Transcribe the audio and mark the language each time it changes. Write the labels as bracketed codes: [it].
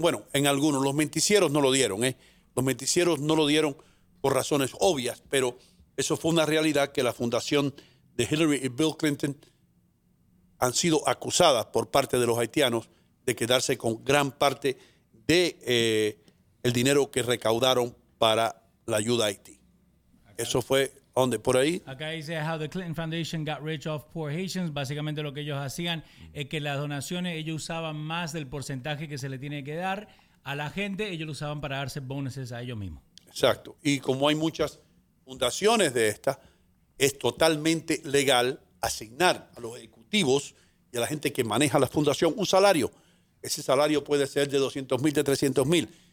[es] Bueno, en algunos, los menticieros no lo dieron. Los menticieros no lo dieron por razones obvias, pero eso fue una realidad que la fundación de Hillary y Bill Clinton han sido acusadas por parte de los haitianos de quedarse con gran parte de el dinero que recaudaron para la ayuda a Haití. Eso fue donde, por ahí. Acá dice [en] how the Clinton Foundation got rich off poor Haitians. [es] Básicamente lo que ellos hacían es que las donaciones, ellos usaban más del porcentaje que se le tiene que dar a la gente, ellos lo usaban para darse bonuses a ellos mismos. Exacto. Y como hay muchas fundaciones de estas, es totalmente legal asignar a los ejecutivos y a la gente que maneja la fundación un salario. Ese salario puede ser de 200,000, de 300,000.